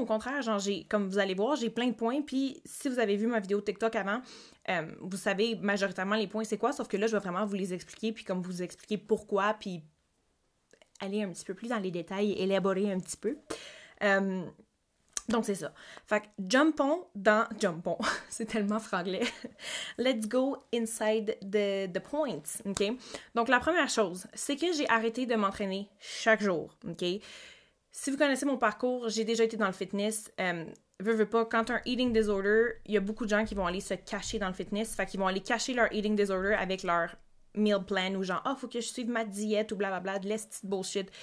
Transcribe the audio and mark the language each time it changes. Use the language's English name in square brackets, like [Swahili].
[French] Non, au contraire, genre comme vous allez voir, j'ai plein de points. Puis si vous avez vu ma vidéo TikTok avant, vous savez majoritairement les points c'est quoi, sauf que là, je vais vraiment vous les expliquer puis comme vous expliquer pourquoi puis aller un petit peu plus dans les détails, élaborer un petit peu. Donc, c'est ça. Fait que jumpons. C'est tellement franglais. [English] Let's go inside the points, OK? [French] Donc, la première chose, c'est que j'ai arrêté de m'entraîner chaque jour, OK? Si vous connaissez mon parcours, j'ai déjà été dans le fitness. Veux pas, quand un eating disorder, il y a beaucoup de gens qui vont aller se cacher dans le fitness. Fait qu'ils vont aller cacher leur eating disorder avec leur meal plan ou genre, « Ah, oh, faut que je suive ma diète » ou blablabla, de l'est bullshit.